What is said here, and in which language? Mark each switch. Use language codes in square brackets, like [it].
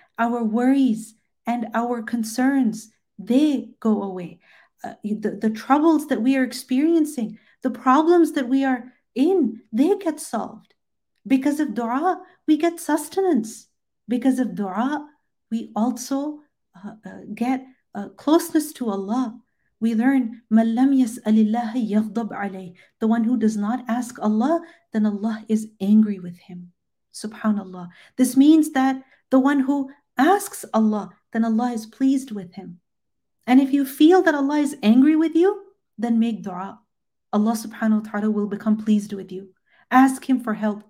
[en] Our worries and our concerns, they go away. The troubles that we are experiencing, the problems that we are in, they get solved. Because of dua, we get sustenance. Because of dua, we also get closeness to Allah. [ar] We learn, مَنْ لَمْ يَسْأَلِ اللَّهَ يَغْضَبْ عَلَيْهِ. [en] The one who does not ask Allah, then Allah is angry with him. SubhanAllah. This means that the one who asks Allah, then Allah is pleased with him. And if you feel that Allah is angry with you, then make dua. Allah subhanahu wa ta'ala will become pleased with you. Ask Him for help.